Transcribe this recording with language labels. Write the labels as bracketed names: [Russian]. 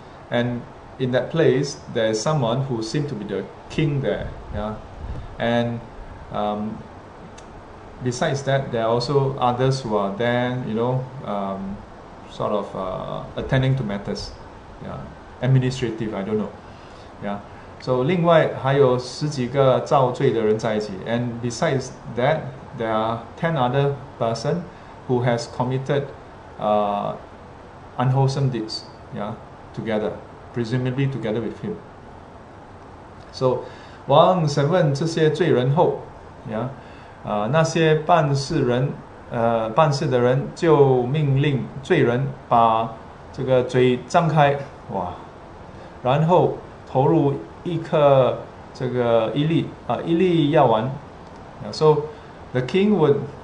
[English] And in that place, there is someone who seemed to be the king there. Yeah. And besides that, there are also others who are there, you know, sort of attending to matters. Yeah. Administrative, I don't know. Yeah. [Chinese] So 另外还有十几个造罪的人在一起. [English] And besides that, there are 10 other person who has committed unwholesome deeds, yeah, together, presumably together with him. [Chinese] So, 王审问这些罪人后, yeah, 那些办事的人就命令罪人把这个嘴张开, 哇, 然后投入一颗这个一粒药丸, yeah, [English] so, the king would